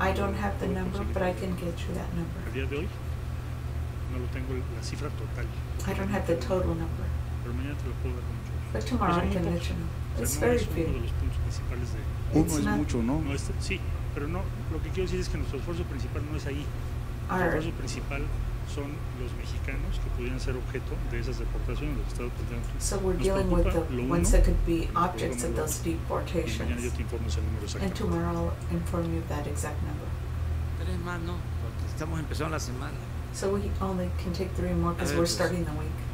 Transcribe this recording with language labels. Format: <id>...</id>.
<en>I don't have the number, but I can get you that number.</en> <es>Al día de hoy no lo tengo la cifra total.</es> <en>I don't have the total number.</en> <es>Pero mañana te lo puedo dar mucho.</es> <en>But tomorrow I can let you know. It's very few.</en> <es>Uno de los puntos principales de uno es mucho, ¿no? No es, sí, pero no. Lo que quiero decir es que nuestro esfuerzo principal no es ahí. Nuestro esfuerzo principal son los mexicanos que pudieran ser objeto de esas deportaciones, los Estados Unidos.</es> <en>So we're dealing with the ones that could be objects of those deportations.</en> <es>Mañana yo te informo ese número exacto.</es> <en>And tomorrow I'll inform you of that exact number.</en> <es>Tres más, ¿no? Porque estamos empezando la semana.</es> <en>So we only can take three more because we're starting the week.</en>